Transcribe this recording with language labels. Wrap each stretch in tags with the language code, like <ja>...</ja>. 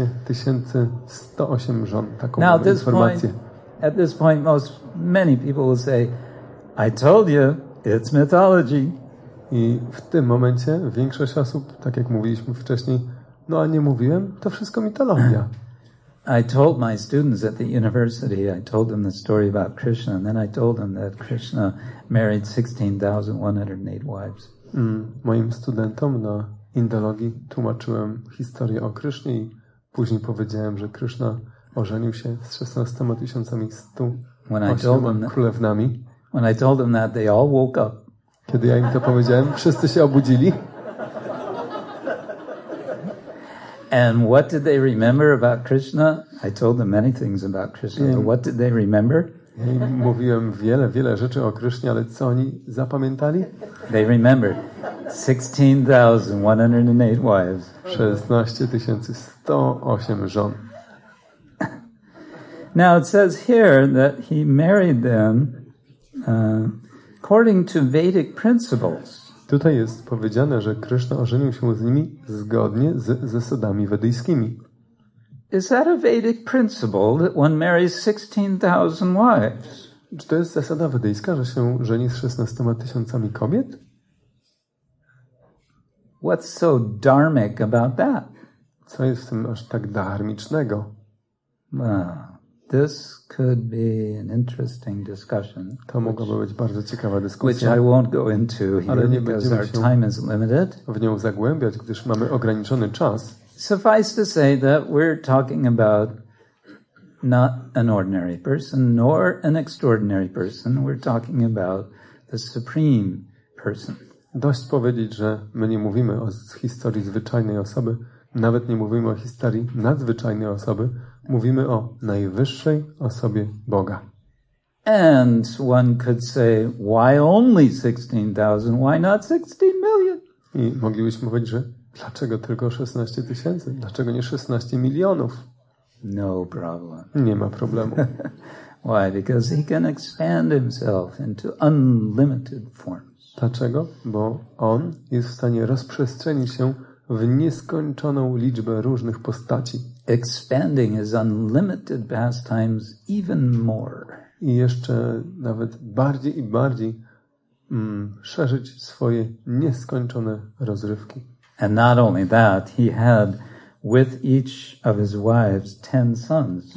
<pl>16,108 żon, taką mamy informację.</pl> <en>At this point, many people will say, "I told you, it's mythology."</en> <pl>I w tym momencie większość osób, tak jak mówiliśmy wcześniej, no a nie mówiłem, to wszystko mitologia.</pl> <en>I told my students at the university, I told them the story about Krishna, and then I told them that Krishna married 16,108 wives.</en> <pl>Moim studentom na Indologii tłumaczyłem historię o Krysznie i później powiedziałem, że Kryszna ożenił się z 16 108 królewnami.</pl> <en>When I told them that, they all woke up.</en> <pl>Kiedy ja im to powiedziałem, wszyscy się obudzili.</pl> <en>And what did they remember about Krishna? I told them many things about Krishna, but what did they remember?</en> <pl>Ja im mówiłem wiele, wiele rzeczy o Krysznie, ale co oni zapamiętali?</pl> <en>They remembered 16,108 wives.</en> <pl>16,108 żon.</pl> <en>Now it says here that he married them according to Vedic principles.</en> <pl>Tutaj jest powiedziane, że Krishna ożenił się z nimi zgodnie z zasadami wedyjskimi.</pl> <en>Is that a Vedic principle that one marries 16,000 wives?</en> <pl>Czy to jest zasada wedyjska, że się żeni z 16,000 kobiet?</pl> <en>What's so dharmic about that?</en> <pl>Co jest w tym aż tak dharmicznego?</pl> <en>This could be an interesting discussion.</en> <pl>To mogłoby być bardzo ciekawa dyskusja.</pl> <en>Which I won't go into here because our time is limited.</en> <pl>W nią zagłębiać, gdyż mamy ograniczony czas.</pl> <en>Suffice to say that we're talking about not an ordinary person nor an extraordinary person. We're talking about the supreme person.</en> <pl>Dość powiedzieć, że my nie mówimy o historii zwyczajnej osoby, nawet nie mówimy o historii nadzwyczajnej osoby. Mówimy o najwyższej osobie Boga.</pl> <en>And one could say, why only 16,000? Why not 16 million?</en> <pl>I moglibyśmy powiedzieć, że dlaczego tylko 16 tysięcy? Dlaczego nie 16 milionów?</pl> <en>No problem.</en> <pl>Nie ma problemu.</pl> <en>Why? Because he can expand himself into unlimited forms.</en> <pl>Dlaczego? Bo on jest w stanie rozprzestrzenić się w nieskończoną liczbę różnych postaci.</pl> <en>Expanding his unlimited pastimes even more.</en> <pl>I jeszcze nawet bardziej i bardziej szerzyć swoje nieskończone rozrywki.</pl> <en>And not only that, he had with each of his wives 10 sons.</en>